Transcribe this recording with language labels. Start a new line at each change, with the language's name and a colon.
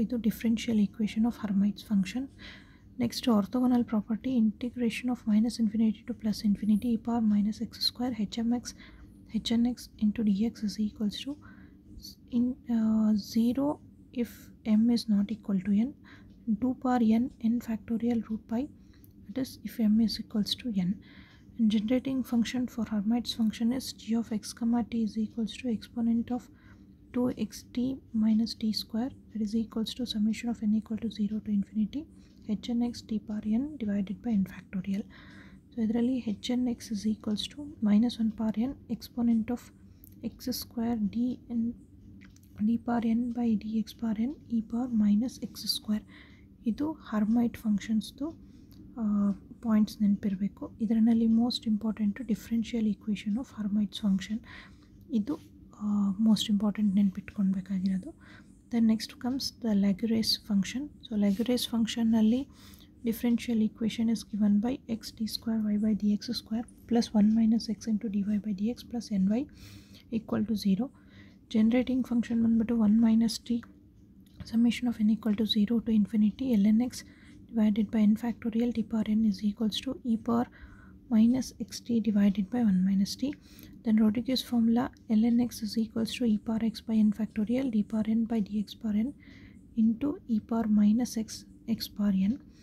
English: ಇದು differential equation of Hermite's function. Next orthogonal property, integration of minus infinity to plus infinity e power minus x square h m x h n x into d x is equals to in zero if m is not equal to n, two power n n factorial root pi it is if m is equals to n. And generating function for Hermite's function is g of x comma t is equals to exponent of 2xt minus t square, that is equals to summation of n equal to 0 to infinity hnx t power n divided by n factorial. So
Kannada: idrali
English: hnx is equals to minus 1 power n exponent of x square d n d power n by dx power n e power minus x square.
Kannada: Idu
English: Hermite functions to
Kannada: points ನೆನಪಿರಬೇಕು. ಇದರಲ್ಲಿ
English: most important differential equation of Hermite's function,
Kannada: ಇದು
English: most important
Kannada: ನೆನ್ಪಿಟ್ಕೊಳ್ಬೇಕಾಗಿರೋದು.
English: Then next comes the Lagrange function. So Lagrange ಫಂಕ್ಷನ್ನಲ್ಲಿ differential equation is given by x d square y by d x square plus 1 minus x into d y by d x plus n y equal to 0. Generating function
Kannada: ಬಂದುಬಿಟ್ಟು
English: 1 minus t summation of n equal to 0 to infinity l n x divided by n factorial t power n is equals to e power minus xt divided by 1 minus t. Then Rodriguez formula ln x is equals to e power x by n factorial d power n by dx power n into e power minus x x power n.